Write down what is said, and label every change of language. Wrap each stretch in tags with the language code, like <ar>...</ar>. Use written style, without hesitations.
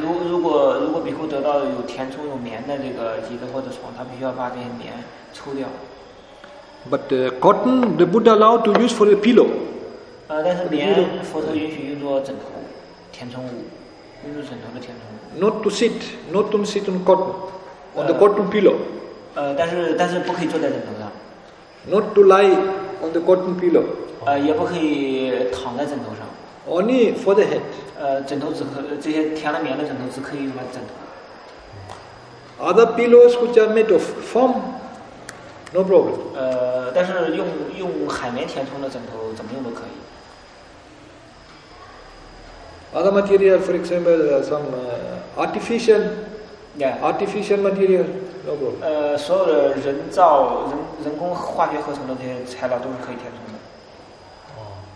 <zh>如果比库得到有填充有棉的这个椅子或者床，他必须要把这些棉抽掉。</zh> <en>But cotton, the Buddha allowed to use for the pillow.</en> <zh>但是棉佛陀允许用作枕头填充物，用作枕头的填充物。</zh> <en>Not to sit on cotton, on the cotton pillow.</en> <zh>但是不可以坐在枕头上。</zh> <en>Not to lie on the cotton pillow.</en> <zh>也不可以躺在枕头上。</zh> <en>Only for the head.</en> <zh>枕头只可这些填了棉的枕头只可以用来枕头。</zh> <en>Other pillows which are made of foam, no problem.</en> <zh>但是用海绵填充的枕头怎么用都可以。</zh> <en>Other material, for example, some artificial. Yeah. Artificial material, no problem.</en> <zh>所有的人造人工化学合成的这些材料都是可以填充的。</zh>